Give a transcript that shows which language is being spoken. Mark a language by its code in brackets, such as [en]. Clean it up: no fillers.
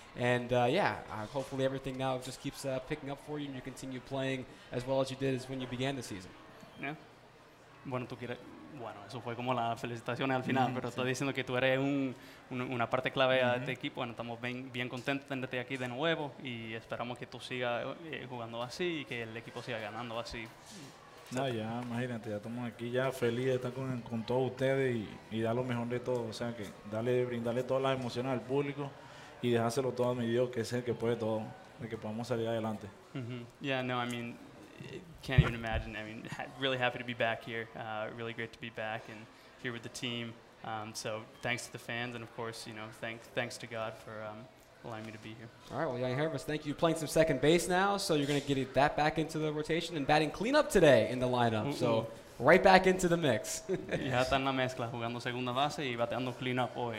[en] And, hopefully everything now just keeps picking up for you and you continue playing as well as you did as when you began the season. [es] Yeah. Bueno, tú quieres. Bueno, eso fue como las felicitaciones al final, pero sí. Estoy diciendo que tú eres una parte clave de este equipo. Bueno, estamos bien contentos de tenerte aquí de nuevo y esperamos que tú sigas jugando así y que el equipo siga ganando así. No, ya, imagínate, ya estamos aquí ya feliz de estar con todos ustedes y dar lo mejor de todo. O sea, que brindarle todas las emociones al público y dejárselo todo a mi Dios, que es el que puede todo, el que podamos salir adelante. Mm-hmm. [en] Yeah, no, I mean, can't even imagine. I mean, really happy to be back here. Really great to be back and here with the team. So thanks to the fans and, of course, you know, thanks to God for allowing me to be here. All right, well, Yangervis, thank you. Playing some second base now, so you're going to get that back into the rotation and batting cleanup today in the lineup. Mm-hmm. So right back into the mix. [es] Ya está en la mezcla, jugando segunda base y bateando cleanup hoy.